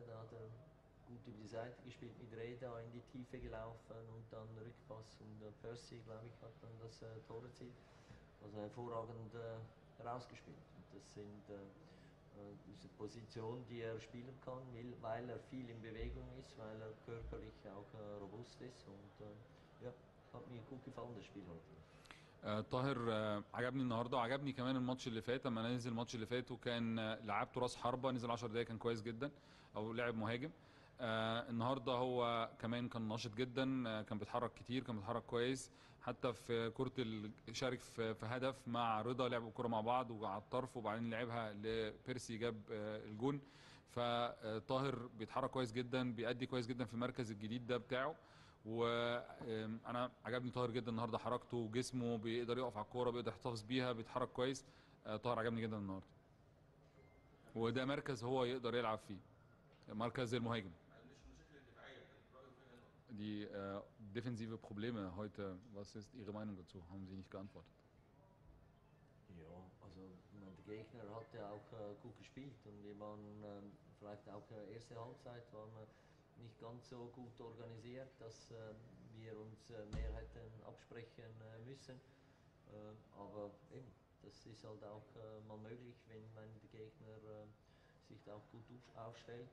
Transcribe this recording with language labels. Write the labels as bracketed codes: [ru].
[de] Da hat er gut über die Seite gespielt, mit Reda in die Tiefe gelaufen und dann Rückpass und Percy, glaube ich, hat dann das Tor erzielt. Also hervorragend herausgespielt. Das sind diese Positionen, die er spielen kann, weil er viel in Bewegung ist, weil er körperlich auch robust ist und ja, hat mir gut gefallen, das Spiel heute. [ar] طاهر عجبني النهارده وعجبني كمان الماتش اللي فات لما نزل الماتش اللي فات وكان لعبته راس حربه نزل 10 دقايق كان كويس جدا او لعب مهاجم النهارده هو كمان كان ناشط جدا كان بيتحرك كتير كان بيتحرك كويس حتى في كره شارك في هدف مع رضا لعبوا كره مع بعض وعلى الطرف وبعدين لعبها لبيرسي جاب الجون فطاهر بيتحرك كويس جدا بيأدي كويس جدا في المركز الجديد ده بتاعه وانا عجبني طاهر جدا النهارده حركته وجسمه بيقدر يقف على الكوره بيقدر يحتفظ بيها بيتحرك كويس طاهر عجبني جدا النهارده وده مركز هو يقدر يلعب فيه مركز المهاجم [de] دي defensive probleme heute was ist ihre meinung dazu haben sie nicht geantwortet ja also der gegner hatte auch gut gespielt und wir waren vielleicht auch in der ersten halbzeit waren wir nicht ganz so gut organisiert, dass wir uns mehr hätten absprechen müssen. Aber eben, das ist halt auch mal möglich, wenn mein Gegner sich da auch gut aufstellt.